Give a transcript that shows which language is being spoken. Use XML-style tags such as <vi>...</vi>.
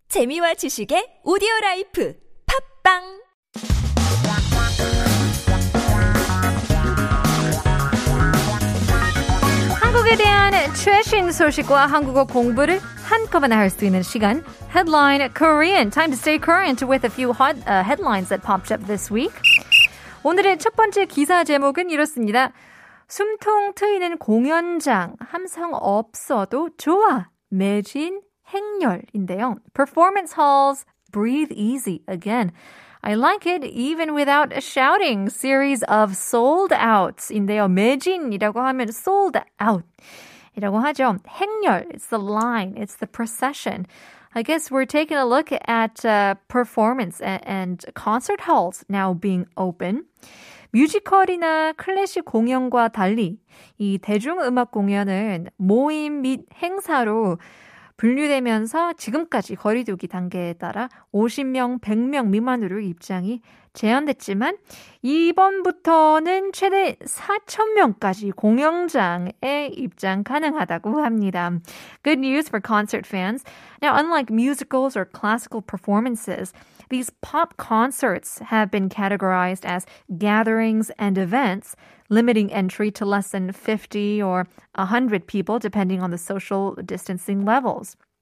<ko>재미와 지식의 오디오라이프 팝빵 한국에 대한 최신 소식과 한국어 공부를 한꺼번에 할 수 있는 시간</ko> <en>Headline Korean Time to stay current with a few hot headlines that popped up this week</en> <ko>오늘의 첫 번째 기사 제목은 이렇습니다 숨통 트이는 공연장 함성 없어도 좋아 매진 행렬인데요.</ko> <en>Performance halls breathe easy again. I like it even without a shouting. Series of sold outs인데요.</en> <ko>매진이라고 하면 sold out이라고 하죠.</ko> <en>행렬, it's the line, it's the procession. I guess we're taking a look at performance and concert halls now being open.</en> <ko>뮤지컬이나 클래식 공연과 달리 이 대중음악 공연은 모임 및 행사로 분류되면서 지금까지 거리두기 단계에 따라 50명, 100명 미만으로 입장이 제한됐지만 이번부터는 최대 4,000명까지 공연장에 입장 가능하다고 합니다.</ko> <en>Good news for concert fans. Now, unlike musicals or classical performances, these pop concerts have been categorized as gatherings and events, limiting entry to less than 50 or 100 people, depending on the social distancing levels.</en>